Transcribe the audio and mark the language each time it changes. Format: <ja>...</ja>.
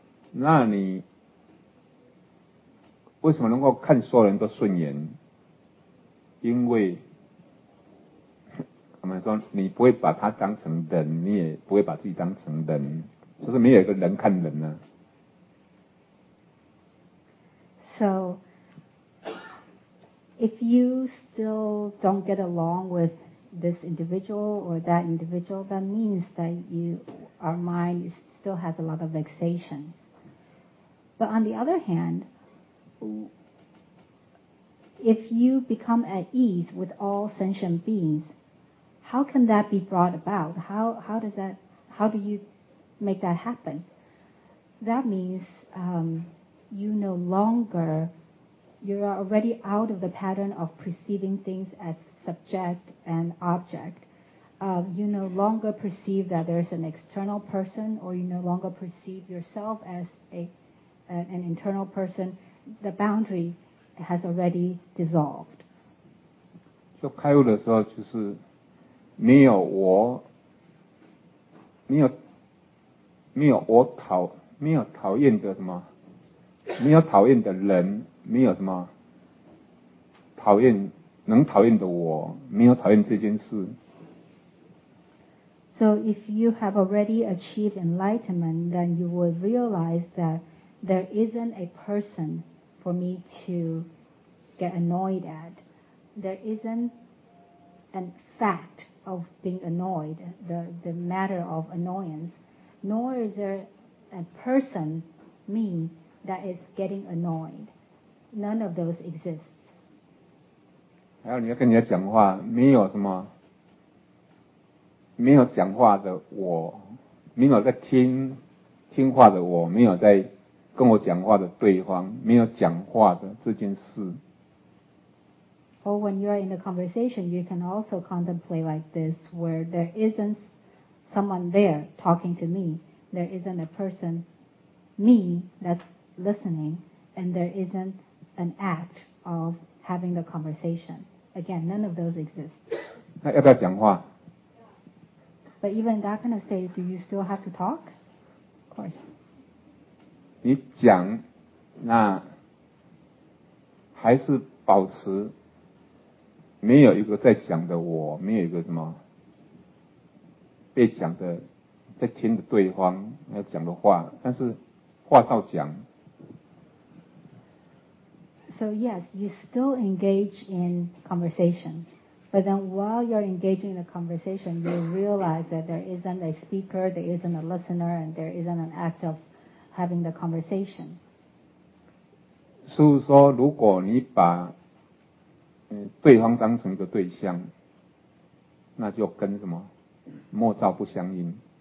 <zh>那你为什么能够看所有人都顺眼？因为我们说你不会把他当成人，你也不会把自己当成人，就是没有一个人看人呢。</zh> <en>So, if you still don't get along with this individual or that individual, that means that our mind still has a lot of vexation. But on the other hand, if you become at ease with all sentient beings, How can that be brought about? How do you make that happen? That means you no longer, you're already out of the pattern of perceiving things as subject and object. You no longer perceive that there's an external person, or you no longer perceive yourself as an internal person. The boundary has already dissolved.</en> <zh>就开悟的时候就是没有我，没有讨厌的什么，没有讨厌的人，没有什么讨厌能讨厌的我，没有讨厌这件事。</zh> <en>So if you have already achieved enlightenment, then you will realize that there isn't a person for me to get annoyed at. There isn't an fact of being annoyed, the matter of annoyance, nor is there a person, me, that is getting annoyed. None of those exists.</en> <zh>还有你要跟人家讲话，没有什么没有讲话的我，没有在听话的我，没有在跟我讲话的对方，没有讲话的这件事。</zh> <en>Or when you are in a conversation, you can also contemplate like this, where there isn't someone there talking to me, there isn't a person, me, that's listening, and there isn't an act of having the conversation. Again, none of those exist.</en> <zh>那要不要讲话？</zh> <en>But even in that kind of state, do you still have to talk? Of course.</en> <zh>你讲，那还是保持没有一个在讲的我，没有一个什么被讲的，在听的对方要讲的话，但是话照讲。</zh> <en>So yes, you still engage in conversation, but then while you're engaging in the conversation, you realize that there isn't a speaker, there isn't a listener, and there isn't an act of having the conversation.</en> <zh>师父说，如果你把对方当成一个对象，那就跟什么莫照不相应。</zh>